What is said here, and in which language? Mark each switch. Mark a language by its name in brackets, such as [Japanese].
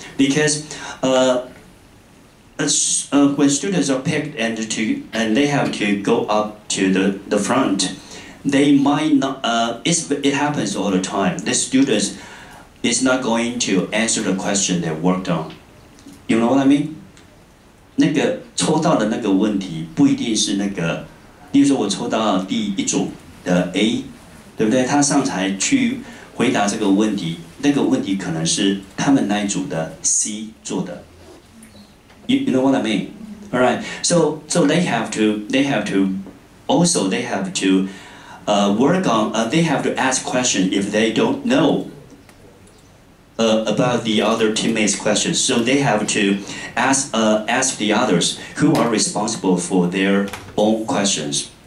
[English] Because when students are picked and they have to go up to the front, they might not, it happens all the time. The student is not going to answer the question they worked on. You know what I mean? [Chinese] 那个抽到的那个问题不一定是那个，例如说我抽到第一组的 A， 对不对？他上台去回答这个问题，那个问题可能是他们那一组的 C 做的。 [English] You know what I mean? All right. So they have to ask questions if they don't know about the other teammates' questions. So they have to ask the others who are responsible for their own questions.